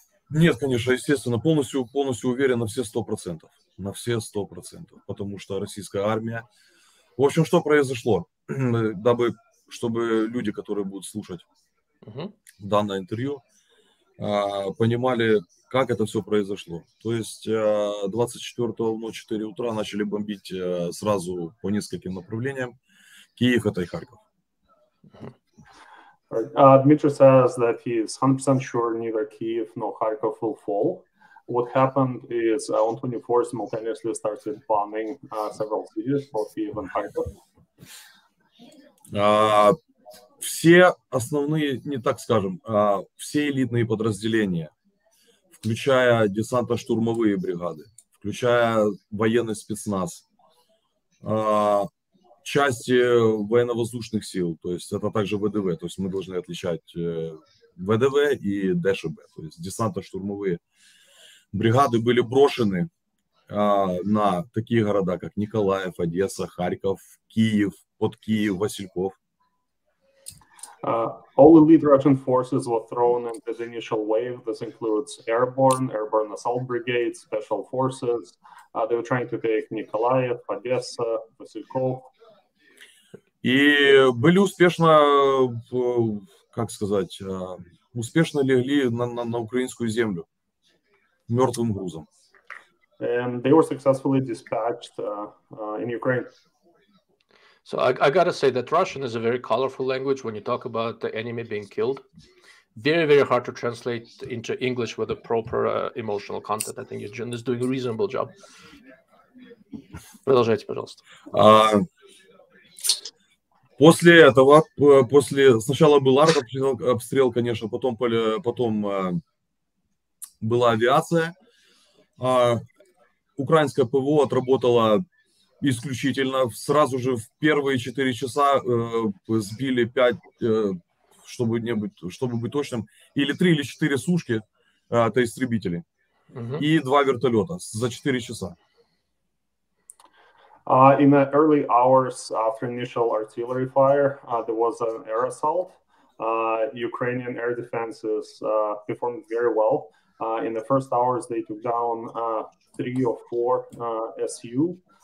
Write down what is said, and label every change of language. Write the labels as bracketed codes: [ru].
[uk] Ні, звісно, [ru] естественно, [uk] повністю [ru] уверен [uk] на все 100%. На все 100%. [ru] Потому [uk] що російська армія. [ru] В общем, що произошло? Дабы, [uk] щоб люди, які будуть слухати дане інтерв'ю, [ru] понимали, как это все произошло. То есть 24 в ночь, 4 утра начали бомбить сразу по нескольким направлениям. Киев, это и Харьков. [en] Дмитрий says that he is 100% sure neither Kyiv nor Kharkov will fall. What happened is on 24 simultaneously started bombing several cities, both Kyiv and Kharkov. [ru] Все основные, не так скажем, все элитные подразделения, включая десантно-штурмовые бригады, включая военный спецназ, части военно-воздушных сил, то есть это также ВДВ, то есть мы должны отличать ВДВ и ДШБ, то есть десантно-штурмовые бригады были брошены на такие города, как Николаев, Одесса, Харьков, Киев, под Киев, Васильков. [en] All elite Russian forces were thrown into the initial wave. This includes airborne, airborne assault brigades, special forces. They were trying to take Nikolaev, Odessa, Vasilkov. [ru] И были успешно, как сказать, успешно легли на украинскую землю мертвым грузом. [en] And they were successfully dispatched in Ukraine. So I got to say that Russian is a very colorful language when you talk about the enemy being killed. Very, very hard to translate into English with a proper emotional content. I think Eugene is doing a reasonable job. [ru] Продолжайте, пожалуйста. После этого, после сначала был артобстрел, конечно, потом была авиация. Украинское ПВО отработало исключительно. Сразу же в первые 4 часа сбили 5, чтобы быть точным, или 3 или 4 сушки, это истребители, и 2 вертолета за 4 часа. [en] In the early hours after initial artillery fire, there was an air assault. Ukrainian air defenses performed very well. In the first hours they took down 3 or 4 SU.